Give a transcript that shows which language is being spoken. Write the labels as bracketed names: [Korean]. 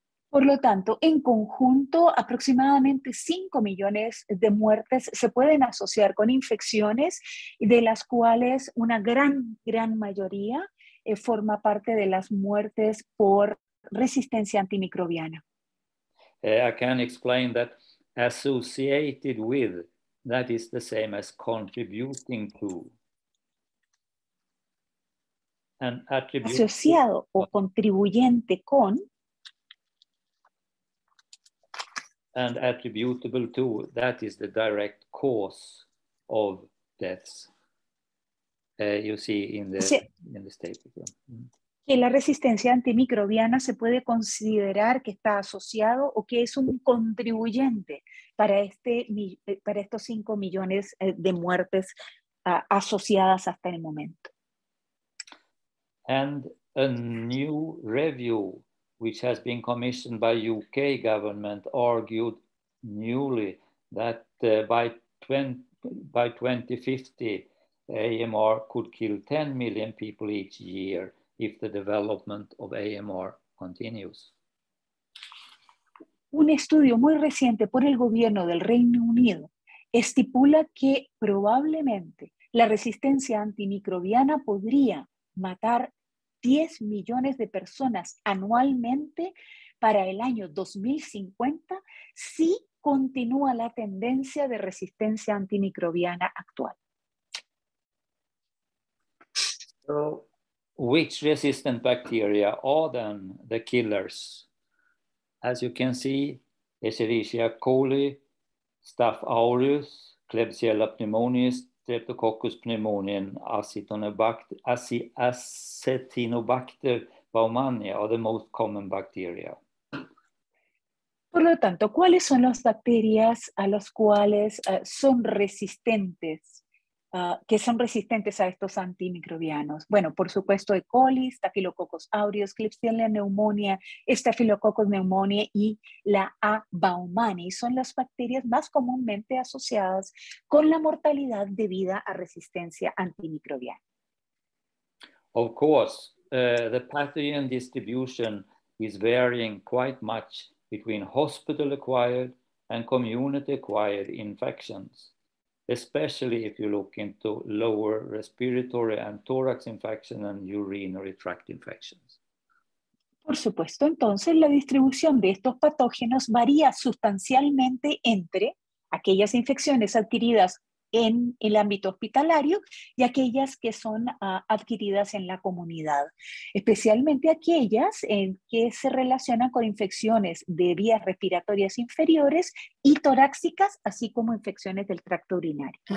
[Spanish] Por lo tanto, en conjunto, aproximadamente 5 millones de muertes se pueden asociar con infecciones, de las cuales una gran mayoría forma parte de las muertes por resistencia antimicrobiana. [English] I can explain that associated with, that is the same as contributing to. An attribute [Spanish] asociado [English] to, [Spanish] o contribuyente con. [English] And attributable to, that is the direct cause of deaths. You see in the statement. Mm-hmm. [Spanish] Que la resistencia antimicrobiana se puede considerar que está asociado o que es un contribuyente para estos 5 millones de muertes asociadas hasta el momento. [English] And a new review, which has been commissioned by UK government, argued newly that by 2050, AMR could kill 10 million people each year if the development of AMR continues. [Spanish] Un estudio muy reciente por el gobierno del Reino Unido estipula que probablemente la resistencia antimicrobiana podría matar 10 millones de personas anualmente para el año 2050 si continúa la tendencia de resistencia antimicrobiana actual. [English] So, which resistant bacteria are then the killers? As you can see, Escherichia coli, Staph aureus, Klebsiella pneumoniae, Streptococcus pneumoniae, Acetobacter baumannii are the most common bacteria. [Spanish] Por lo tanto, ¿cuáles son las bacterias a las cuales son resistentes? Que son resistentes a estos antimicrobianos. Bueno, por supuesto, E. coli, Staphylococcus aureus, Klebsiella pneumoniae, Staphylococcus pneumoniae y la A. baumannii son las bacterias más comúnmente asociadas con la mortalidad debida a resistencia antimicrobiana. [English] Of course, the pathogen distribution is varying quite much between hospital-acquired and community-acquired infections, especially if you look into lower respiratory and thorax infection and urinary tract infections. [Spanish] Por supuesto, entonces, la distribución de estos patógenos varía sustancialmente entre aquellas infecciones adquiridas en el ámbito hospitalario y aquellas que son adquiridas en la comunidad, especialmente aquellas que se relacionan con infecciones de vías respiratorias inferiores y torácicas, así como infecciones del tracto urinario.